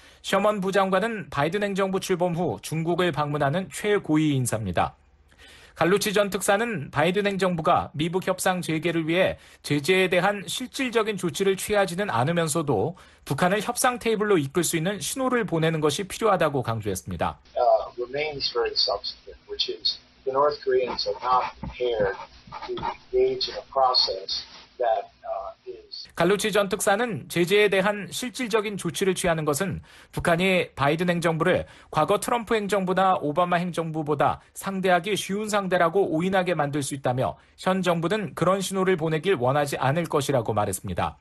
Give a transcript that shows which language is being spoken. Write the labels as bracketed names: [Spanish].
[Korean] 셔먼 부장관은 바이든 행정부 출범 후 중국을 방문하는 최고위 인사입니다. 갈루치 전 특사는 바이든 행정부가 미북 협상 재개를 위해 제재에 대한 실질적인 조치를 취하지는 않으면서도 북한을 협상 테이블로 이끌 수 있는 신호를 보내는 것이 필요하다고 강조했습니다. [English] Remains very substantive, which is the North Koreans are not prepared to engage in a process that [Korean] 갈루치 전 특사는 제재에 대한 실질적인 조치를 취하는 것은 북한이 바이든 행정부를 과거 트럼프 행정부나 오바마 행정부보다 상대하기 쉬운 상대라고 오인하게 만들 수 있다며 현 정부는 그런 신호를 보내길 원하지 않을 것이라고 말했습니다.